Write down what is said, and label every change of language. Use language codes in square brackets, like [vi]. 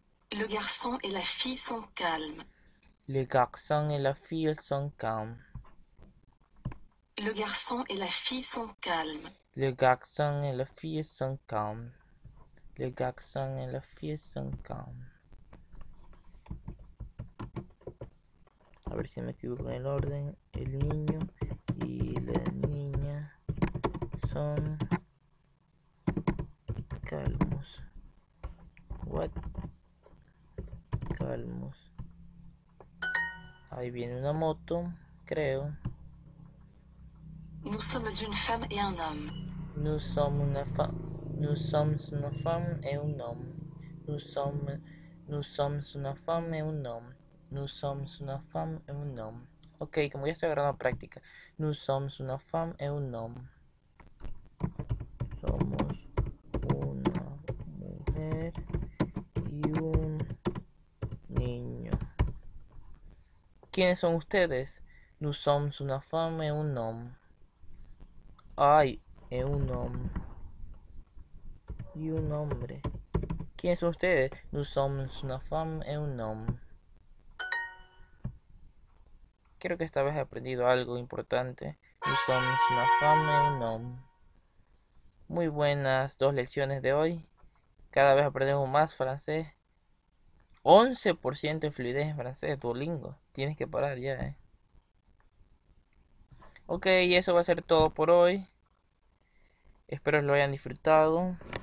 [fr] Le garçon et la fille sont calmes. Le garçon et la fille sont calmes. Le garçon et la fille sont calmes. Le garçon et la fille sont calmes. Le garçon et la fille sont calmes. [es] A ver si me equivoco en el orden. El niño y la niña son calmos. What? Calmos. Ahí viene una moto, creo. [fr] Nous sommes une femme et un homme. Nous sommes une femme. Nous sommes une femme et un homme. Nous sommes une femme et un homme. Nous sommes une femme et un homme. [es] Ok, como ya estoy agarrando práctica. [fr] Nous sommes une femme et un homme. [es] Somos una mujer y un niño. ¿Quiénes son ustedes? [fr] Nous sommes une femme et un homme. [es] Ay, es un homme. Y un hombre. ¿Quiénes son ustedes? [fr] Nous sommes une femme et un homme. [es] Creo que esta vez he aprendido algo importante. [fr] Nous sommes une femme et un homme. [es] Muy buenas dos lecciones de hoy. Cada vez aprendemos más francés. 11% de fluidez en francés, Duolingo. Tienes que parar ya, ¿eh? Ok, y eso va a ser todo por hoy. Espero lo hayan disfrutado.